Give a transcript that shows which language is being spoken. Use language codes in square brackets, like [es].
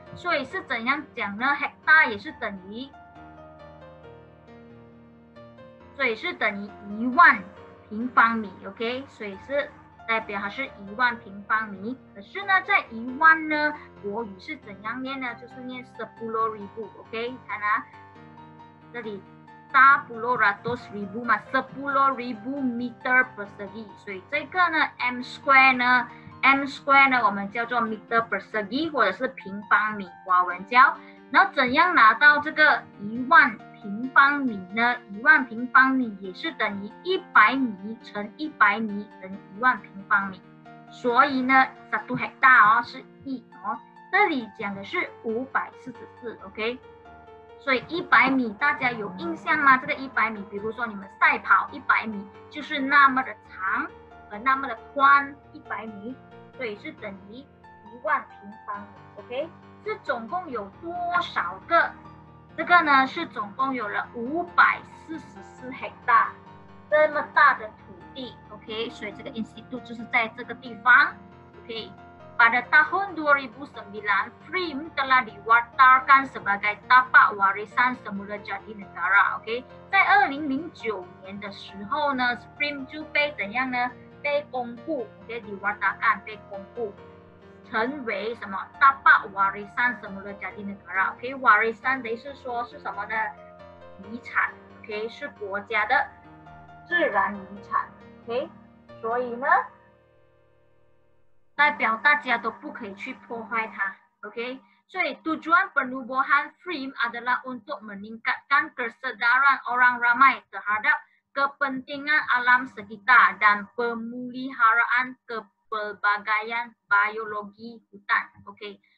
[zh] 所以是怎样讲呢？hectare 也是等于，所以是等于一万平方米， OK。所以是代表它是一万平方米。可是呢这一万呢国语是怎样念呢？就是念 [ms] sepuluh ribu， [zh] OK。看啊，这里 sepuluh ratus ribu 嘛， [ms] sepuluh ribu meter persegi， [zh] 所以这个呢 m square 呢， m square 呢我们叫做 meter persegi 或者是平方米，华文叫。那怎样拿到这个一万平方米呢？一万平方米也是等于一百米乘一百米等于一万平方米，所以呢 [ms] satu hektar [zh] 哦是一哦，这里讲的是544， OK。所以一百米大家有印象吗？这个一百米比如说你们赛跑一百米就是那么的长和那么的宽，一百米，所以是等于一万平方米， OK。是总共有多少个？这个呢是总共有了544 hectar 这么大的土地， OK。所以这个 institute 就是在这个地方， OK。 [ms] Pada tahun 2009, FRIM telah diwartakan sebagai tapak warisan semula jadi negara. [zh] Okay, 在2009年的时候呢 ，FRIM 就被怎样呢？被公布 ，okay， diwartakan 被公布，成为什么 ？ [ms] tapak warisan semula jadi negara. [zh] Okay, warisan 的意思说是什么呢？遗产 ，okay， 是国家的自然遗产 ，okay， 所以呢？代表大家都不可以去破坏它， OK。 [ms] 所以 tujuan penubuhan FRIM adalah untuk meningkatkan kesedaran orang ramai terhadap kepentingan alam sekitar dan pemuliharaan kepelbagaian biologi hutan, OK。